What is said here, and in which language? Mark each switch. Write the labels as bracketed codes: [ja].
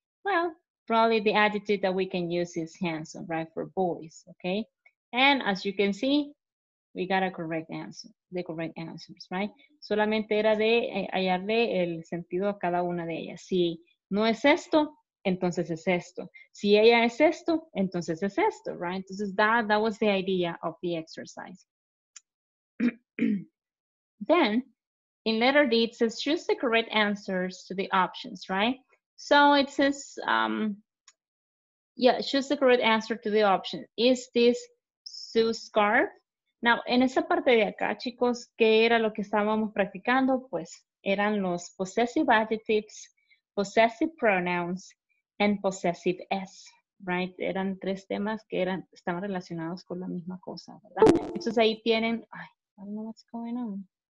[en] Well, probably the adjective that we can use is handsome, right, for boys, okay? And as you can see, we got a correct answer, the correct answers, right? [es] Solamente era de hallarle el sentido a cada una de ellas. Si no es esto, entonces es esto. Si ella es esto, right? [en] Entonces that was the idea of the exercise. Then, in letter D, it says, choose the correct answers to the options, right? So it says, choose the correct answer to the option. Is this Sue's scarf? [es] Now, en esa parte de acá, chicos, ¿qué era lo que estábamos practicando? Pues, eran los [en] possessive adjectives, possessive pronouns, and possessive S, right? [es] Eran tres temas que estaban relacionados con la misma cosa, ¿verdad? Entonces ahí tienen, [en] I don't know what's going on.